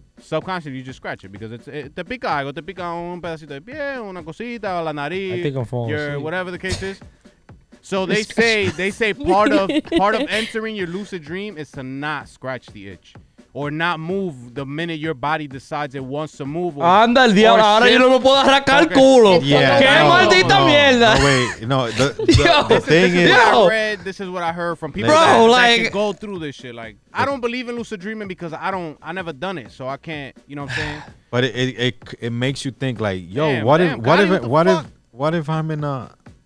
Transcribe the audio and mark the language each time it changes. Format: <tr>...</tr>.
<en>Subconsciously, you just scratch it because it's</en> <es>te pica algo, te pica un pedacito de piel, una cosita, o la nariz.</es> <en>I think I'm falling asleep. Whatever the case is. So they say part of entering your lucid dream is to not scratch the itch or not move the minute your body decides it wants to move.</en> <es>Anda el diablo, ahora yo no me puedo arrancar el culo. Qué maldita mierda.</es> <en>This is what I heard from people that can go through this shit. Like, I don't believe in lucid dreaming because I never done it, so I can't, you know what I'm saying? But it makes you think like, yo, what if I'm in a</en>